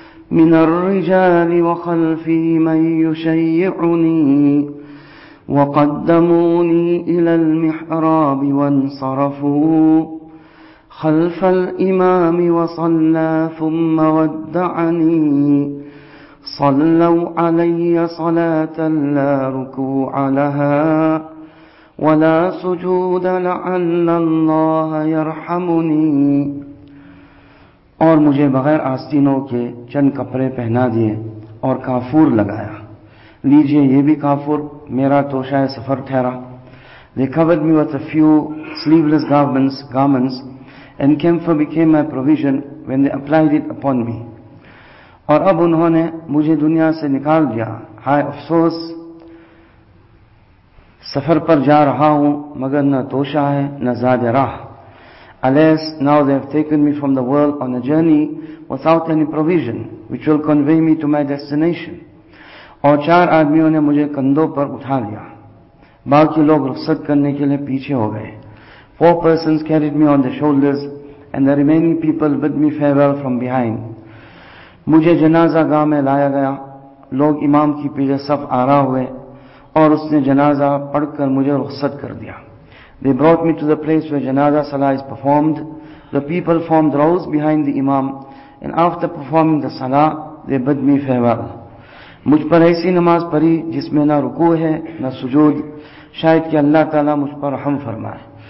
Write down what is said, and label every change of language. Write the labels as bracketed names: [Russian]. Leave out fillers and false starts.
[Arabic] من الرجال وخلفي من يشيعني وقدموني إلى المحراب وانصرفوا خلف الإمام وصلى ثم ودعني صلوا علي صلاة لا ركوع لها ولا سجود لعل الله يرحمني. [Urdu] اور مجھے بغیر آستینوں کے چند کپڑے پہنا دیے اور کافور لگایا. لیجئے یہ بھی کافور, میرا توشہ سفر ٹھہرا. [English] They covered me with a few sleeveless garments and camphor became my provision when they applied it upon me. [Urdu] اور اب انہوں نے مجھے دنیا سے نکال دیا. ہائے افسوس, سفر پر جا رہا ہوں مگر نہ توشہ ہے نہ زاد راہ. [English] Alas, now they have taken me from the world on a journey without any provision which will convey me to my destination. [Urdu] اور چار آدمیوں نے مجھے کندھوں پر اٹھا لیا, باقی لوگ رخصت کرنے کے لیے پیچھے ہو گئے. [English] Four persons carried me on their shoulders and the remaining people bid me farewell from behind. [Urdu] مجھے جنازہ گاہ میں لایا گیا. لوگ امام کی پیچھے صف آرا ہوئے اور اس نے جنازہ پڑھ کر مجھے رخصت کر دیا. [English] They brought me to the place where janaza salah is performed. The people formed rows behind the imam and after performing the salah, they bid me farewell. [Urdu] مجھ پر ایسی نماز پڑھی جس میں نہ رکوع ہے نہ سجود, شاید کہ اللہ تعالیٰ مجھ پر رحم فرمائے.